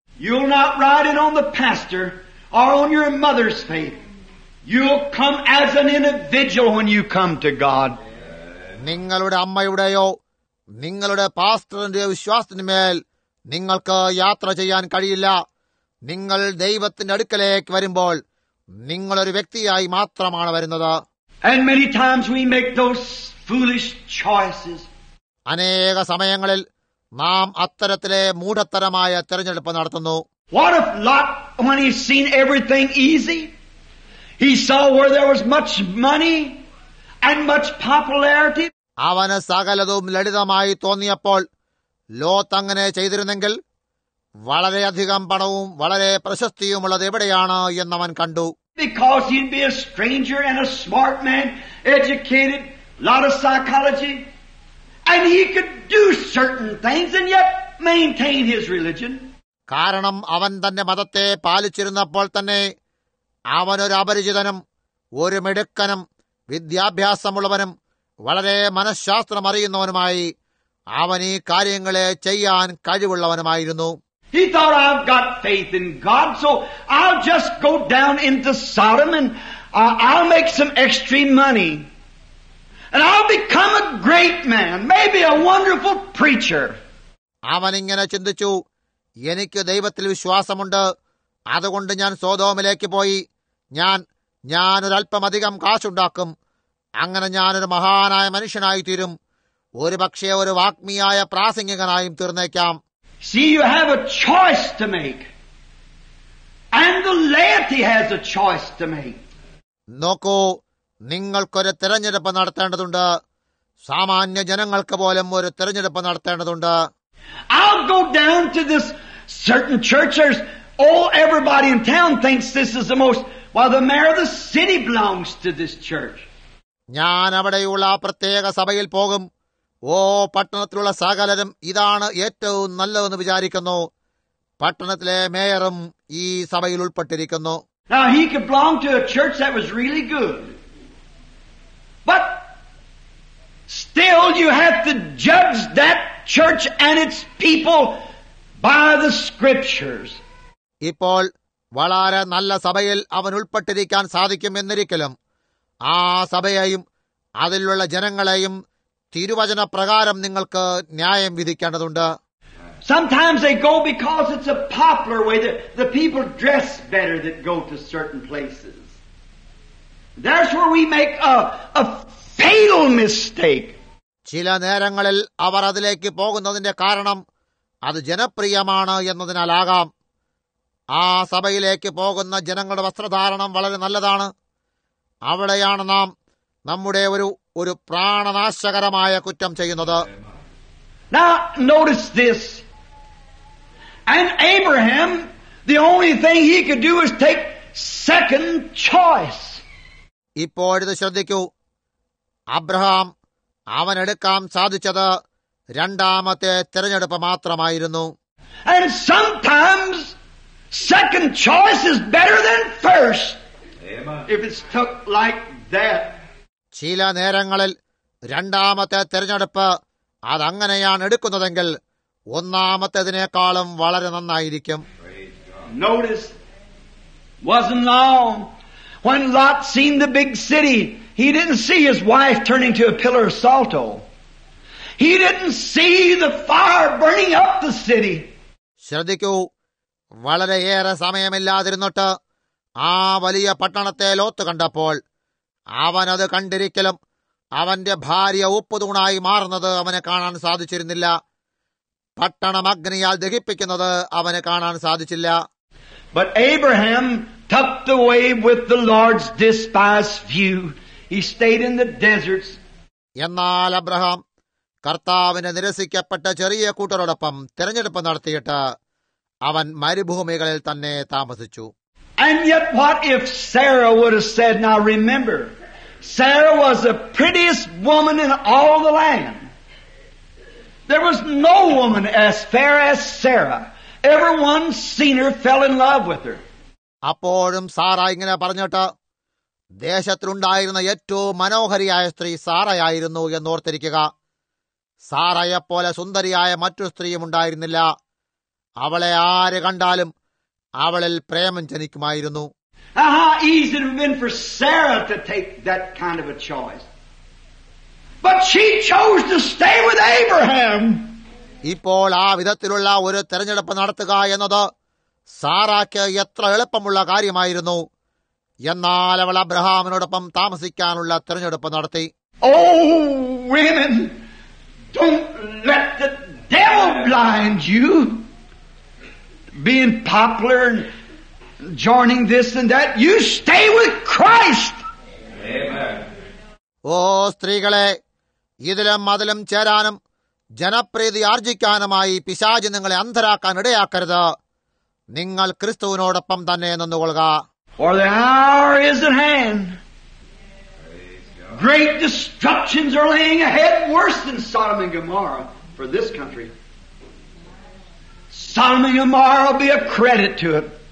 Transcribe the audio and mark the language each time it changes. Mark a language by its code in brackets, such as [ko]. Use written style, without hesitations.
[en] You'll not ride it on the pastor or on your mother's faith. You'll come as an individual when you come to God. [ml] നിങ്ങളുടെ അമ്മയുടെയോ നിങ്ങളുടെ പാസ്റ്ററിന്റെയോ വിശ്വാസത്തിന്മേൽ നിങ്ങൾക്ക് യാത്ര ചെയ്യാൻ കഴിയില്ല. നിങ്ങൾ ദൈവത്തിന്റെ അടുക്കലേക്ക് വരുമ്പോൾ നിങ്ങളൊരു വ്യക്തിയായി മാത്രമാണ് വരുന്നത്. [en] And many times we make those foolish choices. [ml] അനേക സമയങ്ങളിൽ നാം അത്തരത്തിലെ മൂഢത്തരമായ തിരഞ്ഞെടുപ്പ് നടത്തുന്നു. [en] What if Lot, when he's seen everything easy, he saw where there was much money and much popularity? [ml] അവന് സകലതും ലളിതമായി തോന്നിയപ്പോൾ ലോത്ത് അങ്ങനെ ചെയ്തിരുന്നെങ്കിൽ വളരെയധികം പണവും വളരെ പ്രശസ്തിയുമുള്ളത് എവിടെയാണ് എന്നവൻ കണ്ടു. [en] Because he'd be a stranger and a smart man, educated, lot of psychology. And he could do certain things and yet maintain his religion. [ml] കാരണം അവൻ തന്റെ മതത്തെ പാലിച്ചിരുന്നപ്പോൾ തന്നെ അവനൊരു അപരിചിതനും ഒരു മിടുക്കനും വിദ്യാഭ്യാസമുള്ളവനും വളരെ മനഃശാസ്ത്രമറിയുന്നവനുമായി അവൻ ഈ കാര്യങ്ങളെ ചെയ്യാൻ കഴിവുള്ളവനുമായിരുന്നു. [en] He thought, I've got faith in God, so I'll just go down into Sodom and I'll make some extra money. And I'll become a great man, maybe a wonderful preacher. [ml] അവൻ ഇങ്ങനെ ചിന്തിച്ചു, എനിക്ക് ദൈവത്തിൽ വിശ്വാസമുണ്ട്, അതുകൊണ്ട് ഞാൻ സോദോമിലേക്ക് പോയി ഞാനൊരല്പമധികം കാശുണ്ടാക്കും, അങ്ങനെ ഞാനൊരു മഹാനായ മനുഷ്യനായിത്തീരും, ഒരു പക്ഷേ ഒരു വാഗ്മിയായ പ്രാസംഗികനായും തീർന്നേക്കാം. [en] See, you have a choice to make. And the laity has a choice to make. [ml] നോക്കൂ, നിങ്ങൾക്കൊരു തിരഞ്ഞെടുപ്പ് നടത്തേണ്ടതുണ്ട്. സാമാന്യ ജനങ്ങൾക്ക് പോലും ഒരു തിരഞ്ഞെടുപ്പ് നടത്തേണ്ടതുണ്ട്. [en] I'll go down to this certain church. Everybody in town thinks this is the most, while the mayor of the city belongs to this church. [ml] ഞാൻ അവിടെയുള്ള ആ പ്രത്യേക സഭയിൽ പോകും. ഓ, പട്ടണത്തിലുള്ള സകലരും ഇതാണ് ഏറ്റവും നല്ലതെന്ന് വിചാരിക്കുന്നു. പട്ടണത്തിലെ മേയറും ഈ സഭയിൽ ഉൾപ്പെട്ടിരിക്കുന്നു. [en] Now he could belong to a church that was really good. But still you have to judge that church and its people by the scriptures. [ml] ഇപ്പോൾ വളരെ നല്ല സഭയിൽ അവൻ ഉൾപ്പെട്ടിരിക്കാൻ സാധിക്കും എന്നിരിക്കലും ആ സഭയെയും അതിലുള്ള ജനങ്ങളെയും തിരുവചന പ്രകാരം നിങ്ങൾക്ക് ന്യായം വിധിക്കേണ്ടതുണ്ട്. [en] Sometimes they go because it's a popular way that the people dress better that go to certain places. That's where we make a fatal mistake. [ml] ചില നേരങ്ങളിൽ അവർ അതിലേക്ക് പോകുന്നതിന്റെ കാരണം അത് ജനപ്രിയമാണ് എന്നതിനാലാകാം. ആ സഭയിലേക്ക് പോകുന്ന ജനങ്ങളുടെ വസ്ത്രധാരണം വളരെ നല്ലതാണ്. അവിടെയാണ് നാം നമ്മുടെ ഒരു പ്രാണനാശകരമായ കുറ്റം ചെയ്യുന്നത്. [en] Now notice this. And Abraham, the only thing he could do is take second choice. [ml] ഇപ്പോൾ ഇത് ശ്രദ്ധിക്കൂ, അബ്രഹാം അവൻ എടുക്കാൻ സാധിച്ചത് രണ്ടാമത്തെ തിരഞ്ഞെടുപ്പ് മാത്രമായിരുന്നു. [en] And sometimes second choice is better than first. If it's took like that. [ml] ചില നേരങ്ങളിൽ രണ്ടാമത്തെ തിരഞ്ഞെടുപ്പ് അതങ്ങനെയാണ് എടുക്കുന്നതെങ്കിൽ ഒന്നാമത്തേതിനേക്കാളും വളരെ നന്നായിരിക്കും. [en] Notice, wasn't long when Lot seen the big city. He didn't see his wife turning to a pillar of salt. He didn't see the fire burning up the city. [ml] ശ്രദ്ധിക്കൂ, വളരെയേറെ സമയമില്ലാതിരുന്നിട്ട് ആ വലിയ പട്ടണത്തെ ലോത്ത് കണ്ടപ്പോൾ അവനത് കണ്ടിരിക്കലും അവന്റെ ഭാര്യ ഉപ്പുതൂണായി മാറുന്നത് അവനെ കാണാൻ സാധിച്ചിരുന്നില്ല. പട്ടണം അഗ്നിയാൽ ദഹിപ്പിക്കുന്നത് അവനെ കാണാൻ സാധിച്ചില്ല. [en] But Abraham tucked away with the Lord's despised view. He stayed in the deserts. [ml] എന്നാൽ അബ്രഹാം കർത്താവിനെ നിരസിക്കപ്പെട്ട ചെറിയ കൂട്ടരോടൊപ്പം തിരഞ്ഞെടുപ്പ് നടത്തിയിട്ട് അവൻ മരുഭൂമികളിൽ തന്നെ താമസിച്ചു. [en] And yet what if Sarah would have said, now remember, Sarah was the prettiest woman in all the land. There was no woman as fair as Sarah. Everyone seen her fell in love with her. [ml] അപ്പോഴും Sara ഇങ്ങനെ പറഞ്ഞിട്ട് ദേശത്തിലുണ്ടായിരുന്ന ഏറ്റവും മനോഹരിയായ സ്ത്രീ സാറയായിരുന്നു എന്നോർത്തിരിക്കുക. സാറയെ പോലെ സുന്ദരിയായ മറ്റു സ്ത്രീയും ഉണ്ടായിരുന്നില്ല. അവളെ ആര് കണ്ടാലും അവളിൽ പ്രേമം ജനിക്കുമായിരുന്നു. [en] How easy it would have been for Sarah to take that kind of a choice. But she chose to stay with Abraham. [ml] ഇപ്പോൾ ആ വിധത്തിലുള്ള ഒരു തിരഞ്ഞെടുപ്പ് നടത്തുക എന്നത് സാറാക്ക് എത്ര എളുപ്പമുള്ള കാര്യമായിരുന്നു. എന്നാൽ അവൾ അബ്രഹാമിനോടൊപ്പം താമസിക്കാനുള്ള തിരഞ്ഞെടുപ്പ് നടത്തി. [en] Oh, women, don't let the devil blind you. Being popular and joining this and that, you stay with Christ. Amen. [ml] ഓ സ്ത്രീകളെ, ഇതിലും അതിലും ചേരാനും ജനപ്രീതി ആർജിക്കാനുമായി പിശാച് നിങ്ങളെ അന്ധരാക്കാൻ ഇടയാക്കരുത്. നിങ്ങൾ ക്രിസ്തുവിനോടൊപ്പം തന്നെ നിന്നുകൊള്ളുക. [en] For the hour is at hand. Great destructions are laying ahead, worse than Sodom and Gomorrah for this country. Some of you tomorrow will be a credit to it.